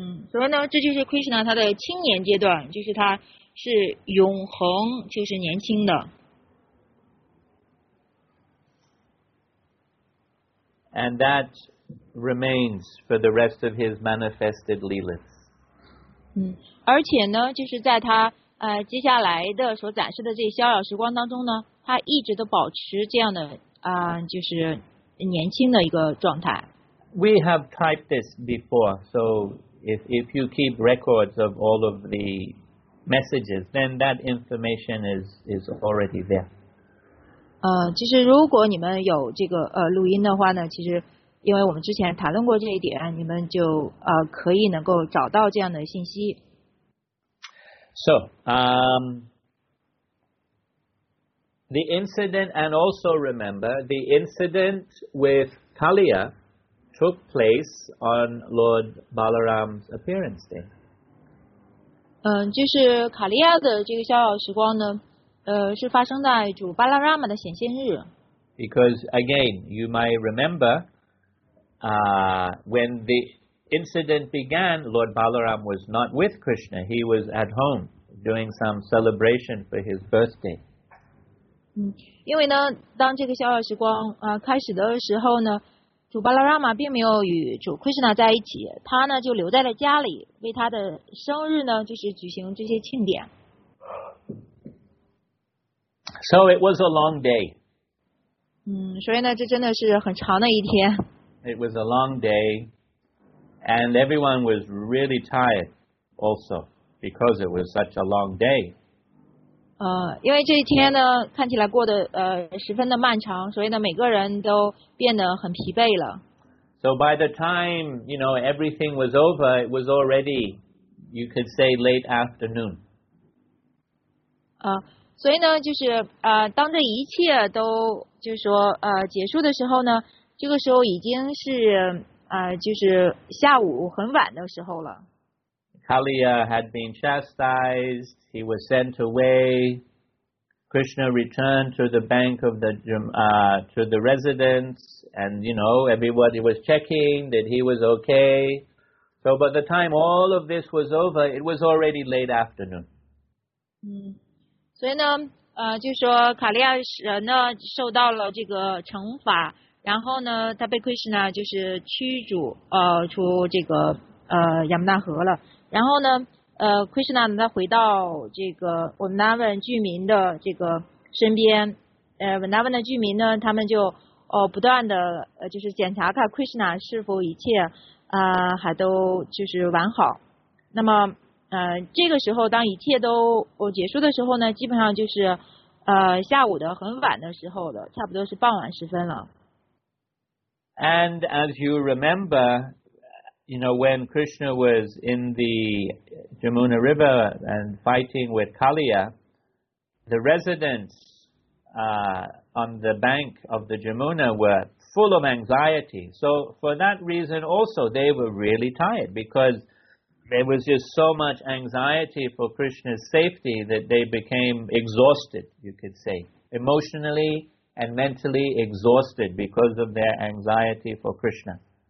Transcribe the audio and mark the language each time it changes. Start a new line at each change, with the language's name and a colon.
Chinese: 所以呢，这就是 Krishna 他的青年阶段，就是他是永恒，就是年轻的。
English: And that remains for the rest of his manifested leelas.
Chinese: 而且呢，就是在他接下来的所展示的这逍遥时光当中呢，他一直都保持这样的就是年轻的一个状态。
English: We have typed this before, so if you keep records of all of the messages, then that information is already there.
Chinese: 其实如果你们有这个录音的话呢，其实因为我们之前谈论过这一点，你们就可以能够找到这样的信息。
English: So, the incident, and also remember, the incident with Kaliya took place on Lord Balaram's appearance day.
Chinese: 就是卡利亚的这个逍遥时光呢，是发生在主巴拉拉玛的显现日。
English: Because, again, you might remember, when the incident began, Lord Balaram was not with Krishna. He was at home. Doing some celebration for his birthday.
Chinese: 因为呢，当这个逍遥时光开始的时候呢，主巴拉拉玛并没有与主 Krishna 在一起，他呢就留在了家里，为他的生日呢就是举行这些庆典。
English: So it was a long day.
Chinese: 所以呢，这真的是很长的一天。
English: It was a long day, and everyone was really tired, also. Because it was such a long day.
Chinese: 因为这一天呢，看起来过得十分的漫长，所以呢，每个人都变得很疲惫了。
English: So by the time you know everything was over, it was already, you could say, late afternoon.
Chinese: 所以呢，就是当这一切都就是说结束的时候呢，这个时候已经是就是下午很晚的时候了。
English: Kaliya had been chastised. He was sent away. Krishna returned to the bank of the to the residence, and you know everybody was checking that he was okay. So by the time all of this was over, it was already late afternoon.
Chinese: 所以呢，就说卡利亚人呢受到了这个惩罚，然后呢，他被 Krishna 就是驱逐出这个亚穆纳河了。然后呢，Krishna 呢，他回到这个 Vrindavan 居民的这个身边，Vrindavan 的居民呢，他们就不断的就是检查看 Krishna 是否一切还都就是完好。那么这个时候当一切都结束的时候呢，基本上就是下午的很晚的时候了，差不多是傍晚时分了。
English: And as you remember. You know, when Krishna was in the Jamuna River and fighting with Kaliya, the residents on the bank of the Jamuna were full of anxiety. So for that reason also, they were really tired because there was just so much anxiety for Krishna's safety that they became exhausted, you could say, emotionally and mentally exhausted because of their anxiety for Krishna.